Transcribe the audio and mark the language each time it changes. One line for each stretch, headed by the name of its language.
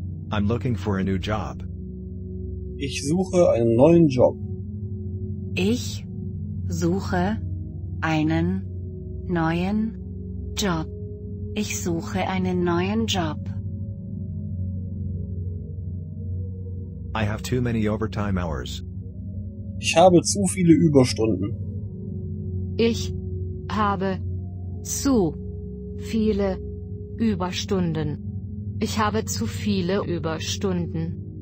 English: I'm looking for a new job.
German: Ich suche einen neuen Job. Ich suche einen neuen Job. Ich suche einen neuen Job.
English: I have too many overtime hours.
German: Ich habe zu viele Überstunden. Ich habe zu viele Überstunden. Ich habe zu viele Überstunden.